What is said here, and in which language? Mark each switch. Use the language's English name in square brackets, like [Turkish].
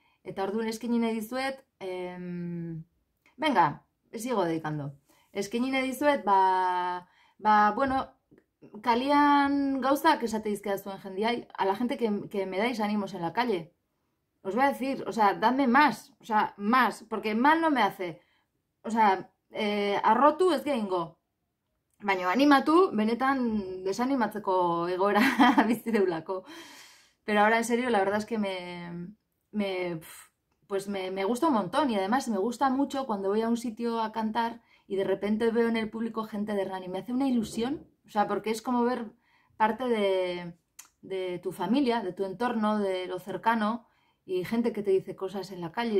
[Basque] Eta orduan eskaini nahi dizuet, [Spanish] venga, sigo dedicando. [Basque] Eskaini nahi dizuet, bueno, kalian gauzak esate dizkia zuen jendiai, [Spanish] a la gente que me dais ánimos en la calle. Os voy a decir, o sea, dadme más, o sea, más, porque mal no me hace. [Basque] O sea, arrotu ez gehingo. Baina animatu, benetan desanimatzeko egoera bizireulako. [Spanish] Pero ahora, en serio, la verdad es que me gusta un montón, y además me gusta mucho cuando voy a un sitio a cantar y de repente veo en el público gente de Hernani. Me hace una ilusión, o sea, porque es como ver parte de tu familia, de tu entorno, de lo cercano, y gente que te dice cosas en la calle.